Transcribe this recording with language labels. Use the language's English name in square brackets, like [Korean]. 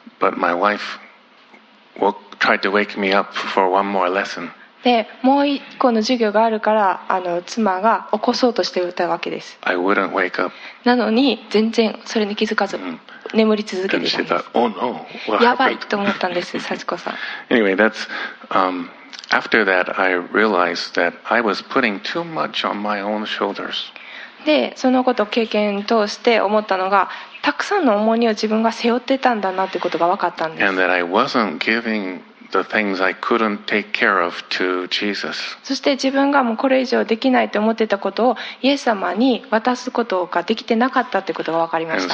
[English] But my wife tried to wake me up for one more lesson. [Japanese] でもう一個の授業があるから、妻が起こそうとしていたわけです。 [English] I wouldn't wake up. [Japanese] なのに全然それに気づかず眠り続けていたんです。 [English] And she thought, oh no, what happened? [Japanese] やばいと思ったんです、幸子さん。 [English] Anyway, that's after that I realized that I was putting too much on my own shoulders. [Japanese] でそのことを経験通して思ったのが、たくさんの重荷を自分が背負ってたんだなということが分かったんです。 [English] And that I wasn't giving the things I couldn't take care of to Jesus. [Japanese] そして自分がもうこれ以上できないと思ってたことをイエス様に渡すことができてなかったということが分かりました。